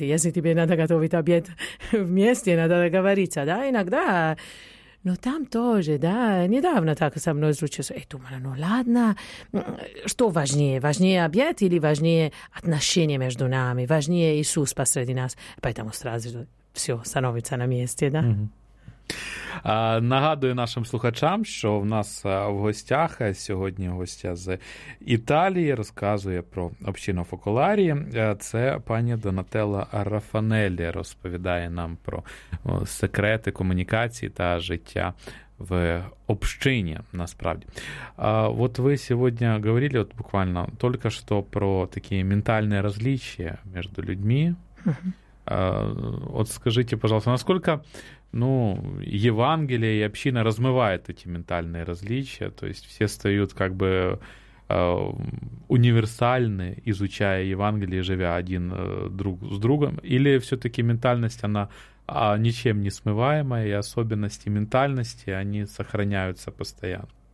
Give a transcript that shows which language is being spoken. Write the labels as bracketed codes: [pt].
[ru] Если тебе надо готовить обед вместе, надо договориться, да, иногда. Но там тоже, да, недавно так со мной случилось. И думала, ну ладно, что важнее? Важнее обед или важнее отношения между нами? Важнее Иисус посреди нас? Поэтому сразу все становится на месте, да. [uk] Нагадую нашим слухачам, що в нас в гостях сьогодні гостя з Італії, розказує про общину Фоколарі. Це пані Донателла Рафанеллі розповідає нам про секрети комунікації та життя в общині, насправді. От ви сьогодні говорили, от буквально тільки що, про такі ментальні розлічия між людьми. От скажіть, будь ласка, наскільки... [ru] Ну, Евангелие и община размывает эти ментальные различия, то есть все стают как бы универсальны, изучая Евангелие, живя один друг с другом, или все-таки ментальность, она ничем не смываемая, и особенности ментальности, они сохраняются постоянно?